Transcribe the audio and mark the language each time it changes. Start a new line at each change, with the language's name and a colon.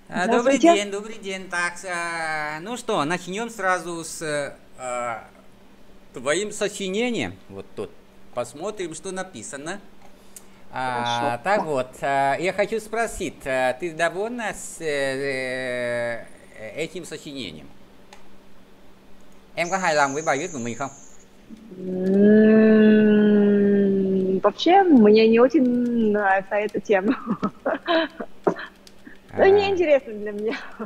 Russian: Добрый день, добрый день. Так, ну что, начнем сразу с твоим сочинением. Вот тут посмотрим, что написано. Так вот, я хочу спросить, ты довольна с этим сочинением?
Vietnamese: Em có hài lòng với bài viết của mình không?
Russian: Вообще, мне не очень нравится эта тема. Да не интересно для меня.